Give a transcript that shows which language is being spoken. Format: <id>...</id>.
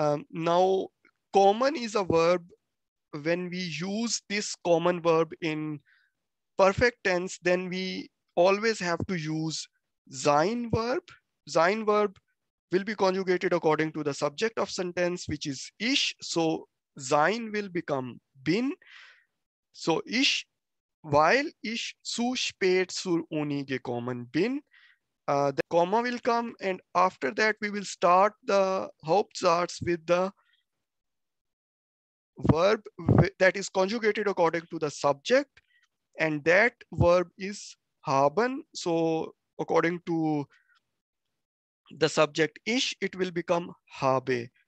<en>Now, kommen is a verb. When we use this common verb in perfect tense, then we always have to use sein verb. Sein verb will be conjugated according to the subject of sentence, which is ich. So sein will become bin.</en> <de>So ich, weil ich zu spät zur Uni gekommen bin.</de> <en>The comma will come, and after that we will start the Hauptsatz with the verb that is conjugated according to the subject, and that verb is haben. So according to the subject ish, it will become habe.</en>